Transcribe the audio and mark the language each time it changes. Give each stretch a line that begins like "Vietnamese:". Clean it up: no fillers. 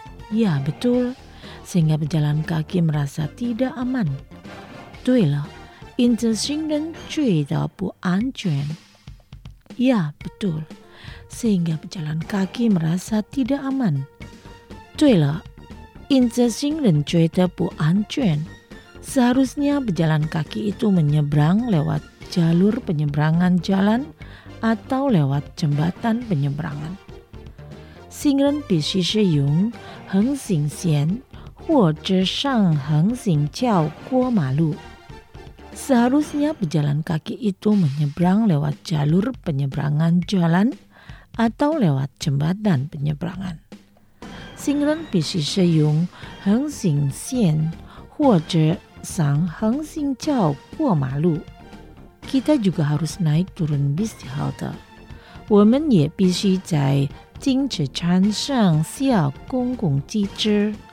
Indonesian: Ya, betul, sehingga pejalan kaki merasa tidak aman.
Chinese: 对了因此行人觉得不安全。
Indonesian: Ya, betul. Sehingga pejalan kaki merasa tidak aman.
Chinese: 对了因此行人觉得不安全。
Indonesian: Seharusnya pejalan kaki itu menyeberang lewat jalur penyeberangan jalan atau lewat jembatan penyeberangan.
Chinese: 行人必须使用横行线或者上横行桥过马路。
Indonesian: Seharusnya pejalan kaki itu menyeberang lewat jalur penyeberangan jalan atau lewat jembatan penyeberangan.
Chinese: 行人必须使用横行线或者上横行桥过马路。
Indonesian: Kita juga harus naik turun bis di halte.
Chinese: 我们也必须在停车场上下公共汽车。